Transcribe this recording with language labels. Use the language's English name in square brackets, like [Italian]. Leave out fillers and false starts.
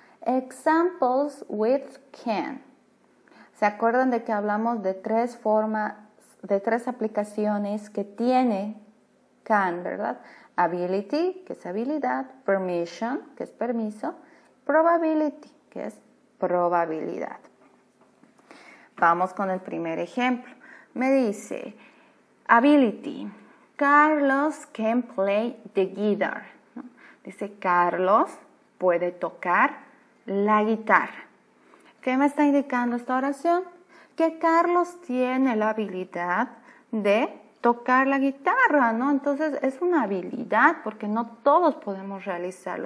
[English] Examples with can. [Spanish] ¿Se acuerdan de que hablamos de tres formas, de tres aplicaciones que tiene can, ¿verdad? Ability, que es habilidad, permission, que es permiso, probability, que es probabilidad. Vamos con el primer ejemplo. Me dice, ability, [English] Carlos can play the guitar. [Spanish] ¿No? Dice, Carlos puede tocar la guitarra. ¿Qué me está indicando esta oración? Que Carlos tiene la habilidad de tocar la guitarra, ¿no? Entonces, es una habilidad porque no todos podemos realizarlo.